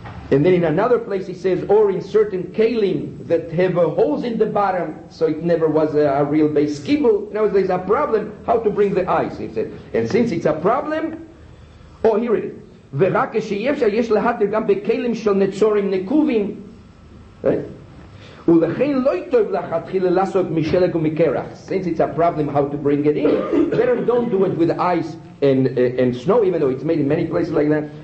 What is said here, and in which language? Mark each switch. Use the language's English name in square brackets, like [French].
[English] And then in another place he says, or in certain kalim that have holes in the bottom, so it never was a real base kibul. Now there's a problem, how to bring the ice, he said. And since it's a problem, oh, here it is. [Hebrew] ורק כשאפשר יש להתיר גם בכלים של נצורים נקובים, ולכן לא טוב להתחיל לעשות משלג ומקרח. [English] Since it's a problem how to bring it in, better don't do it with ice and snow, even though it's made in many places like that.